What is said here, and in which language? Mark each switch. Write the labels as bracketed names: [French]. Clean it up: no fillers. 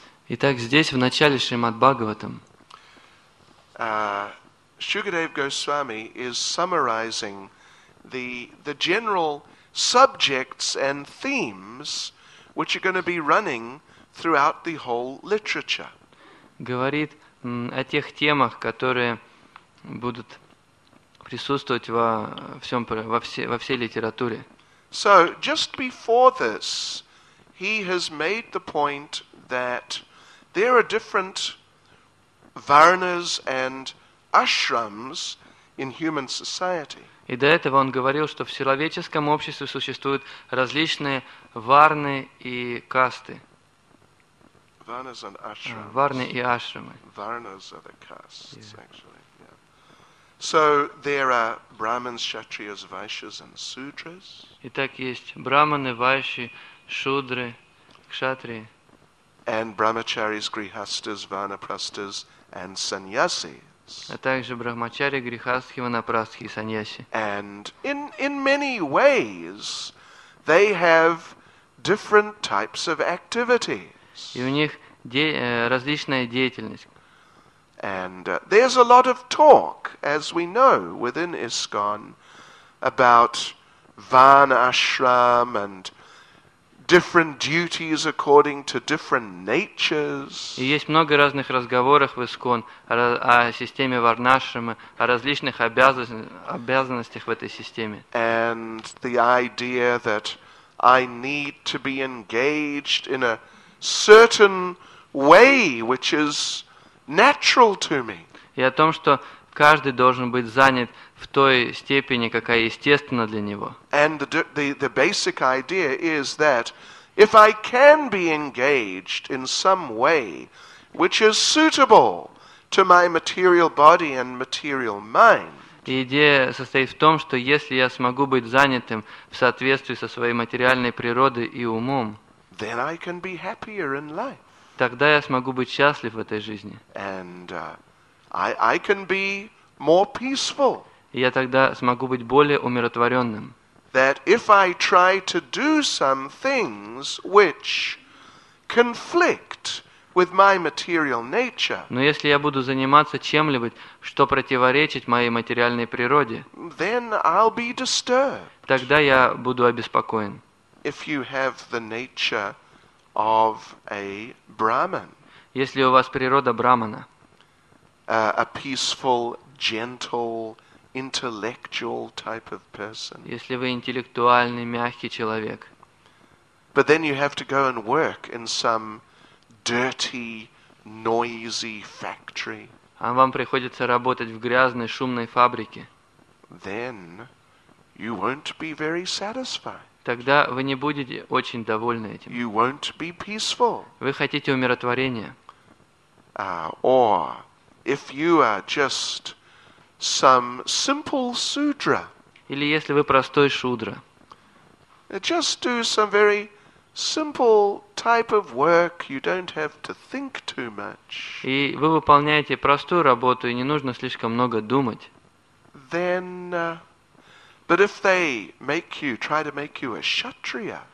[Russian] Итак, здесь, в начале Шримад-Бхагаватам, [English] Шукадева Госвами is summarizing the general subjects and themes which are going to be running throughout the whole literature. [Russian] Говорит о тех темах, которые будут присутствовать во всей литературе. [English] So, just before this, he has made the point that there are different varnas and ashrams in human society. [Russian] И до этого он говорил, что в человеческом обществе существуют различные варны и касты. [English] Varnas and ashrams. [Russian] Варны и ашрамы. [English] Varnas are the castes, yeah. Actually. Yeah. So there are brahmins, kshatriyas, vaishyas, and sudras. [Russian] Итак, есть брахманы, вайши, шудры, кшатрии. [English] And brahmacharis, grihasthas, vanaprasthas, and sannyasis. [Russian] А также брахмачари, грихастхи, ванапрастхи, саньяси. [English] And in many ways, they have different types of activities. [Russian] И у них различная деятельность. [English] And there's a lot of talk, as we know, within ISKCON, about van ashram and different duties according to different natures. [Russian] И есть много разных разговоров в ИСКОН о системе варнашрамы, о различных обязанностях в этой системе. [English] And the idea that I need to be engaged in a certain way which is natural to me. [Russian] И о том, что каждый должен быть занят в той степени, какая естественна для него. [English] And the basic idea is that if I can be engaged in some way which is suitable to my material body and material mind. [Russian] Идея состоит в том, что если я смогу быть занятым в соответствии со своей материальной природой и умом, [English] then I can be happier in life. [Russian] Тогда я смогу быть счастлив в этой жизни. [English] And I can be more peaceful. [Russian] я тогда смогу быть более умиротворенным. [English] That if I try to do some things which conflict with my material nature. [Russian] Но если я буду заниматься чем-либо, что противоречит моей материальной природе, [English] then I'll be disturbed. [Russian] Тогда я буду обеспокоен. [English] If you have the nature of a Brahman. [Russian] Если у вас природа брахмана. [English] A peaceful, gentle, intellectual type of person. [Russian] Если вы интеллектуальный, мягкий человек. [English] But then you have to go and work in some dirty, noisy factory. [Russian] А вам приходится работать в грязной, шумной фабрике. [English] Then you won't be very satisfied. [Russian] Тогда вы не будете очень довольны этим. [English] You won't be peaceful. [Russian] Вы хотите умиротворения. [English] Or if you are just some simple sudra. [Russian] Или если вы простой шудра. [English] Just do some very simple type of work, you don't have to think too much. [Russian] И вы выполняете простую работу, и не нужно слишком много думать. [English] Then, but if they make you, try to make you a kshatriya.